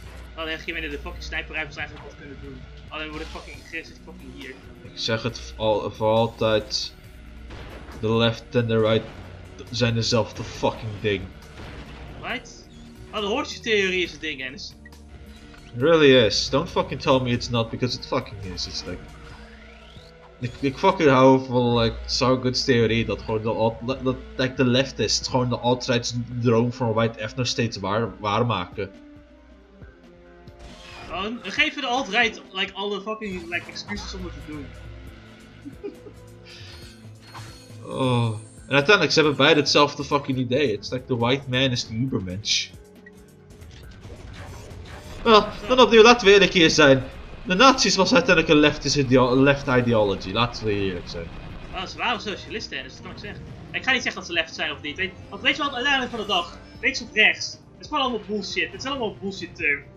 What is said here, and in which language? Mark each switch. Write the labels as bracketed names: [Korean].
[Dutch] Oh, dan heb je de fucking sniper rifles eigenlijk wat kunnen doen. Oh, dan word ik fucking gegrist, fucking hier. Ik zeg het voor altijd. [English] The left and the right [Dutch] zijn dezelfde [English] fucking ding. Right? [Dutch] Oh, de hoortje-theorie is het ding, Ennis. [English] It really is. Don't fucking tell me it's not, because it fucking is. [Dutch] It's like... Ik fucking hou van, like, Sargon's theorie, dat gewoon de like, the leftist, gewoon de alt-right's droom van White F nog steeds waar maken. Gewoon, we geven de alt-right, like, alle fucking, like, excuses om het te doen. Oh. En uiteindelijk, ze hebben beide hetzelfde fucking idee. [English] It's like, the white man is the ubermensch. [Dutch] Wel, dan opnieuw, laten we eerlijk hier zijn. De nazi's was uiteindelijk een left ideology, laten we eerlijk zijn. Oh, ze waren socialisten, dus dat kan ik zeggen. Ik ga niet zeggen dat ze left zijn of niet. Weet je wat, uiteindelijk van de dag, links of rechts. Het is gewoon allemaal bullshit, het is allemaal bullshit term.